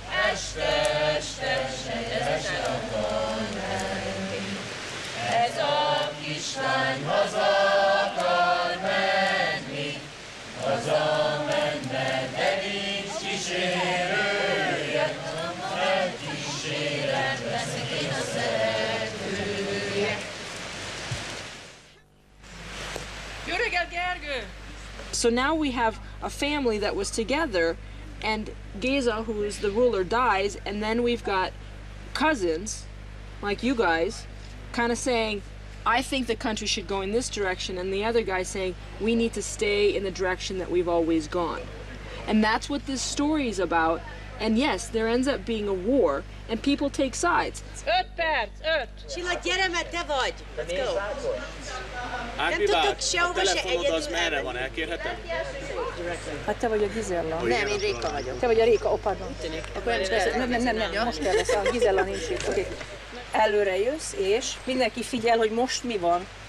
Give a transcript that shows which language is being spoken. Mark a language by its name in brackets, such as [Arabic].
[Hungarian] Este, este, este, este akar ez a kislány haza akar menni, haza menne, de nincs kísérője, nem kísérlet leszek én a szeretője. Jó reggelt, Gergő! [English] So now we have a family that was together, and Geza, who is the ruler, dies, and then we've got cousins, like you guys, kind of saying, I think the country should go in this direction, and the other guy saying, we need to stay in the direction that we've always gone. And that's what this story is about. And yes, there ends up being a war, and people take sides. [Hungarian] Öt perc, öt! Sila, gyere, mert te vagy! [English] Let's go! [Hungarian] Ágbibár, a telefonod az merre van, elkérhetem? Hát te vagy a Gizella. Nem, én Réka vagyok. Te vagy a Réka, pardon. Akkor nem is lesz, nem, most kell lesz, a Gizella nincs itt. Oké. Előre jössz, és mindenki figyel, hogy most mi van.